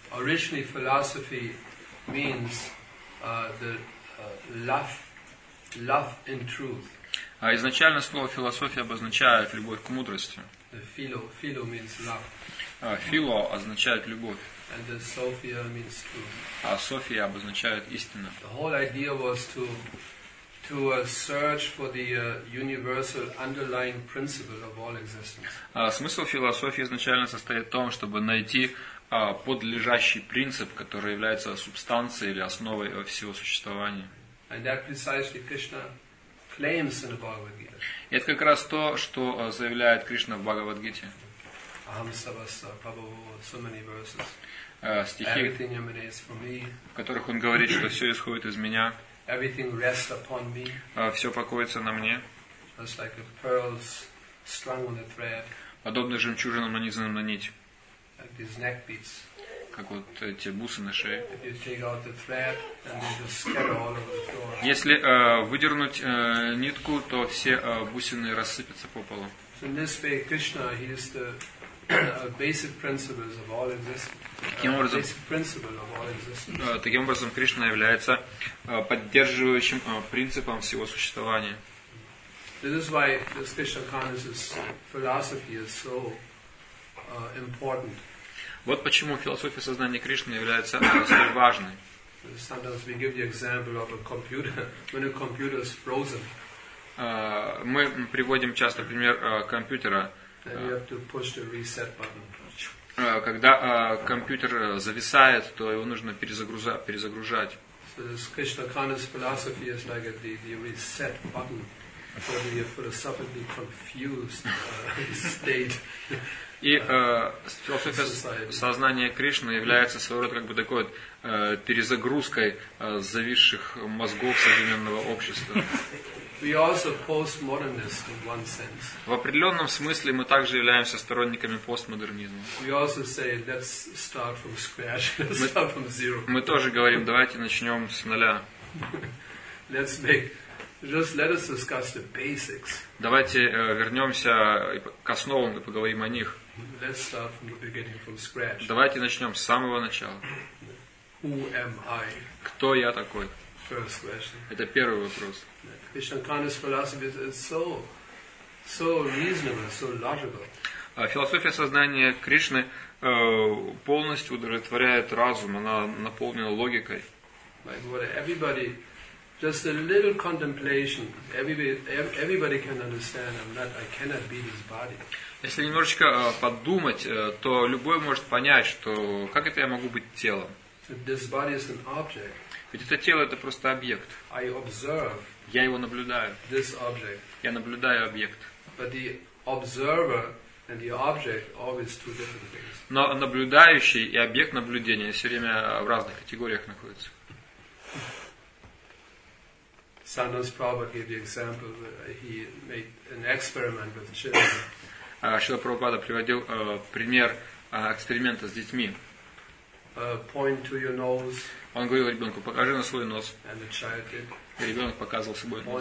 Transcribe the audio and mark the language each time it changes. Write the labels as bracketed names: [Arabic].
[English] Originally, philosophy means the love in truth. [Russian] Изначально слово философия обозначает любовь к мудрости. [English] Philo means love. [Russian] Фило означает любовь. [English] And then Sophia means truth. [Russian] А София обозначает истина. [English] The whole idea was to search for the universal underlying principle of all existence. [Russian] Смысл философии изначально состоит в том, чтобы найти подлежащий принцип, который является субстанцией или основой всего существования. [English] And that precisely Krishna claims in the Bhagavad Gita. [Russian] И это как раз то, что заявляет Кришна в Бхагавадгите. [Sanskrit] Aham Savasa Prabhu, [English] so many verses. [Russian] Стихи, [English] everything emanates from me. [Russian] В которых он говорит, что все исходит из меня. [English] Everything rests upon me. [Russian] Все покоится на мне. [English] Just like the pearls strung on a thread. [Russian] Подобно жемчужинам, нанизанным на нить. [English] Like these neck beads. [Russian] Как вот эти бусы на шее. [English] If you take out the thread, then they just scatter all over the floor. [Russian] Если выдернуть нитку, то все бусины рассыпятся по полу. [English] So in this way, Krishna, he is the basic principles of all existence. Basic principle of all existence. [Russian] Таким образом, Кришна является поддерживающим принципом всего существования. [English] This is why this Krishna consciousness philosophy is so important. [Russian] Вот почему философия сознания Кришны является столь важной. [English] Sometimes we give the example of a computer when a computer is frozen. [Russian] Мы приводим часто пример компьютера. [English] Then you have to push the reset button. [Russian] Когда компьютер зависает, то его нужно перезагружать. [English] So this Krishna consciousness philosophy is like the reset button for the philosophically confused state. [Russian] И философия сознания Кришны является своего рода как бы такой вот перезагрузкой зависших мозгов современного общества. [English] We also postmodernists in one sense. [Russian] В определенном смысле мы также являемся сторонниками постмодернизма. [English] We also say, let's start from scratch, let's start from zero. [Russian] Мы тоже говорим, давайте начнем с нуля. [English] Let us discuss the basics. [Russian] Давайте вернемся к основам и поговорим о них. [English] Let's start from the beginning, from scratch. [Russian] Давайте начнем с самого начала. [English] Who am I? [Russian] Кто я такой? [English] First question. [Russian] Это первый вопрос. [English] Krishna consciousness philosophy is so reasonable, so logical. [Russian] Философия сознания Кришны полностью удовлетворяет разум, она наполнена логикой. [English] Like what everybody, just a little contemplation, everybody can understand. I cannot be this body. [Russian] Если немножечко подумать, то любой может понять, что как это я могу быть телом. [English] This body is an object. [Russian] Ведь это тело — это просто объект. [English] I observe. [Russian] Я его наблюдаю. [English] This object. [Russian] Я наблюдаю объект. [English] But the observer and the object always two different things. [Russian] Но наблюдающий и объект наблюдения все время в разных категориях находятся. [English] Sometimes Prabhupada gave the example that he made an experiment with children. [Russian] Шрила Прабхупада приводил пример эксперимента с детьми. [English] Point to your nose. [Russian] Он говорил ребенку, покажи на свой нос. [English] And the child did. [Russian] Ребенок показывал свой нос.